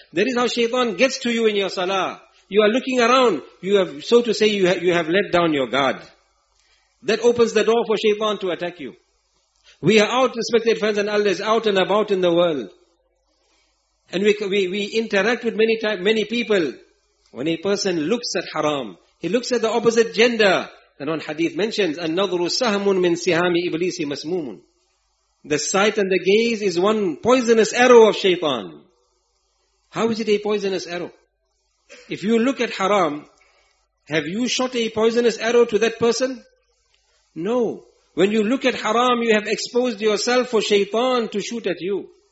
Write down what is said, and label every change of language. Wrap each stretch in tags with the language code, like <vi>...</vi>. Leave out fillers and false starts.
<en>That is how shaitan gets to you in your salah. You are looking around, you have, so to say, you have let down your guard. That opens the door for shaitan to attack you. We are out, respected friends and elders, out and about in the world. And we interact with many people. When a person looks at haram, he looks at the opposite gender. And on hadith mentions,</en> <ar>النَظْرُ سَهْمٌ مِنْ سِهَامِ إِبْلِيسِ مَسْمُومٌ.</ar> <en>The sight and the gaze is one poisonous arrow of shaitan. How is it a poisonous arrow? If you look at haram, have you shot a poisonous arrow to that person? No. When you look at haram, you have exposed yourself for shaitan to shoot at you.</en>